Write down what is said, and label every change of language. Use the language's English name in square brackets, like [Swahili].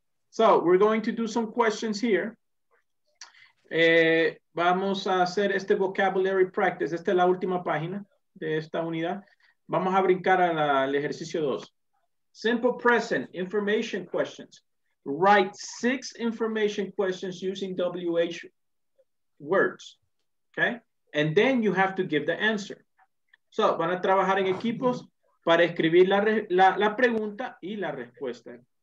[English] So we're going to do some questions here. [Spanish] Vamos a hacer este vocabulary practice. Esta es la última página de esta unidad. Vamos a brincar al ejercicio 2. [English] Simple present information questions. Write 6 information questions using WH words. Okay? And then you have to give the answer. [Spanish] So, van a trabajar en equipos para escribir la pregunta y la respuesta.